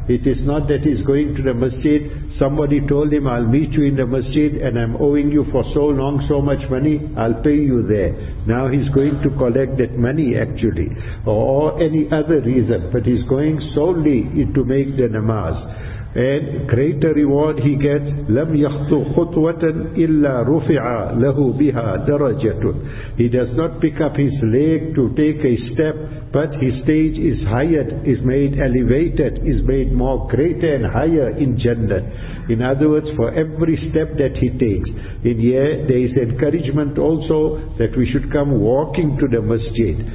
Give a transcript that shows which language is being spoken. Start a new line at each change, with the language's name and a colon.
English: It is not that he is going to the masjid, somebody told him, I'll meet you in the masjid and I'm owing you for so long, so much money, I'll pay you there. Now he's going to collect that money actually, or any other reason, but he's going solely to make the namaz.
Arabic: And greater reward he gets, لَمْ يَخْطُ خُطْوَةً إِلَّا رُفِعَ لَهُ بِهَا دَرَجَةٌ.
English: He does not pick up his leg to take a step, but his stage is higher, is made elevated, is made more greater and higher in Jannah. In other words, for every step that he takes, in here there is encouragement also that we should come walking to the masjid.